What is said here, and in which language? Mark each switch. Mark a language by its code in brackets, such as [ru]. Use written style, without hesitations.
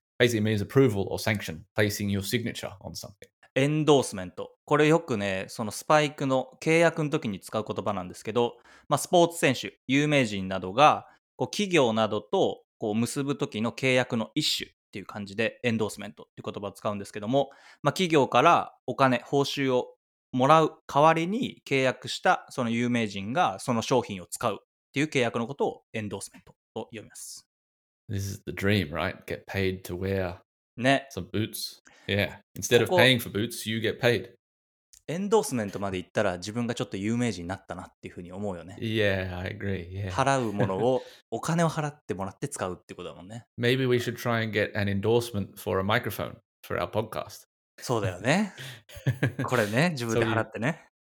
[en] Basically means approval or sanction, placing your signature on something. Endorsement. [ja] これよくね、そのスパイクの契約の時に使う言葉なんですけど、まあスポーツ選手、有名人などがこう企業などとこう結ぶ時の契約の一種っていう感じで、endorsement っていう言葉を使うんですけども、まあ企業からお金、報酬をもらう代わりに契約したその有名人がその商品を使うっていう契約のことを endorsement と呼びます。 [en] This is the dream, right? Get paid to wear、 [ja] ね、 [en] some boots. Yeah. Instead of paying for boots, you get paid. [ja] エンドースメントまで行ったら自分がちょっと有名人になったなっていうふうに思うよね。 [en] Yeah, I agree. Yeah. [ja] 払うものをお金を払ってもらって使うってことだもんね。 [en] Maybe we should try and get an endorsement for a microphone for our podcast. [ja] そうだよね。これね、自分で払ってね。